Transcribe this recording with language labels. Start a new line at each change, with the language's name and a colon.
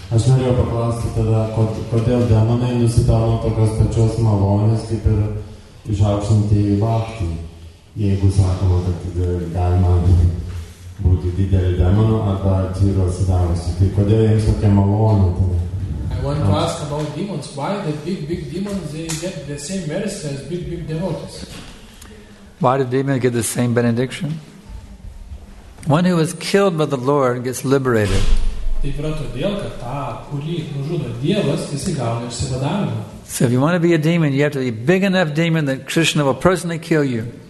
Lithuanian: Norėjau paklausti tada, kodėl demonai nusipelno tokios pačios malonės, kaip ir išaukštinti į vaktį, jeigu sakoma, kad galima būti didelį demoną arba tyro sudarusi. Tai kodėl jiems tokia malonė?
English: I want to ask about demons. Why the big demons, they get the same mercy as big devotees? Why do demons get the same benediction? One who is killed by the Lord gets liberated.
Lithuanian: Taip yra todėl, kad tą, kurį nužudo Dievas, jisai gauna išsivadavimą.
English: So if you want to be a demon, you have to be a big enough demon that Krishna will personally kill you.